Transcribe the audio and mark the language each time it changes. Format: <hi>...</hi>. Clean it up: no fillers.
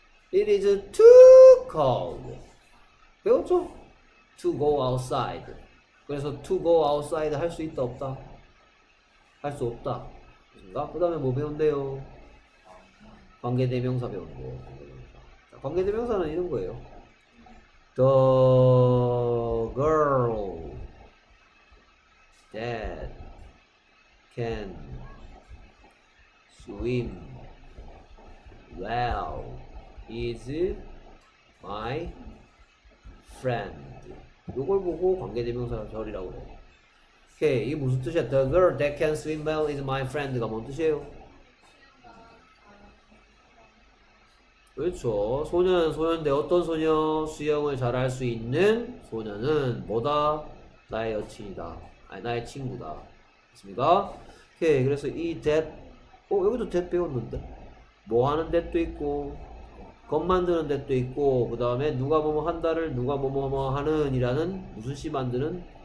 <en>It is too cold.</en> <ko>배웠죠?</ko> <en>To go outside.</en> <ko>그래서</ko> <en>to go outside</en> <ko>할수 있다 없다? 할수 없다. 그 다음에 뭐 배운대요? 관계대명사 배운 거. 관계대명사는 이런 거예요.</ko> <en>The girl that can swim well is my friend.</en> <ko>이걸 보고 관계대명사 절이라고 해요. 오케이, 이게 무슨 뜻이야?</ko> <en>The girl that can swim well is my friend가</en> <ko>뭔 뜻이에요? 그렇죠. 소녀는 소녀인데 어떤 소녀? 수영을 잘할 수 있는 소녀는 뭐다? 나의 여친이다. 아니, 나의 친구다. 맞습니까? 오케이, 그래서 이 that, 여기도 that 배웠는데? 뭐 하는 that도 있고, 겁 만드는 that도 있고, 그 다음에 누가 뭐뭐 한다를 누가 뭐뭐뭐 하는이라는 무슨 시 만드는?</ko>